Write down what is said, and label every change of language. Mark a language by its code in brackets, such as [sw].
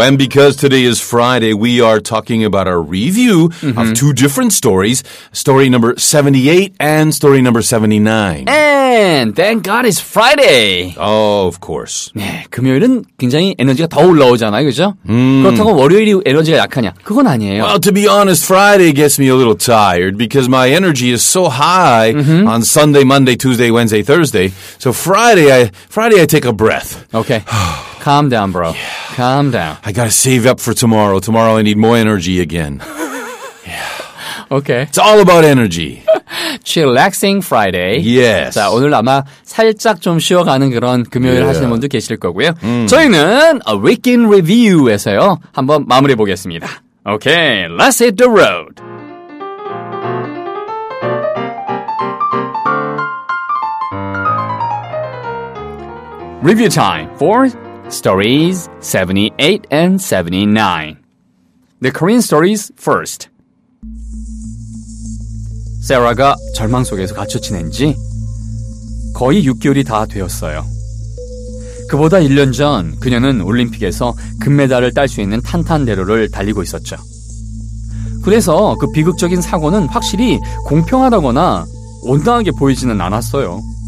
[en] And because today is Friday, we are talking about a review of two different stories, story number 78 and story number 79. And thank God it's Friday. Oh, of course. [ko] 네, 금요일은 굉장히 에너지가 더 올라오잖아요, 그죠? 그렇다고 월요일이 에너지가 약하냐? 그건 아니에요. [en] Well, to be honest, Friday gets me a little tired because my energy is so high on Sunday, Monday, Tuesday, Wednesday, Thursday. So Friday I take a breath. Okay. Calm down, bro. Yeah. Calm down. I gotta save up for tomorrow. Tomorrow I need more energy again. Okay. It's all about energy. Chillaxing Friday. Yes. [ko] 자, 오늘 아마 살짝 좀 쉬어가는 그런 금요일 [en] yeah. [ko] 하시는 분도 계실 거고요. 저희는 A Week in Review에서요. 한번 마무리 보겠습니다. [en] Okay, let's hit the road. Review time for stories 78 and 79. The Korean stories first. [ko] 세라가 절망 속에서 갇혀 지낸 지 거의 6개월이 다 되었어요. 그보다 1년 전 그녀는 올림픽에서 금메달을 딸 수 있는 탄탄대로를 달리고 있었죠. 그래서 그 비극적인 사고는 확실히 공평하다거나 온당하게 보이지는 않았어요.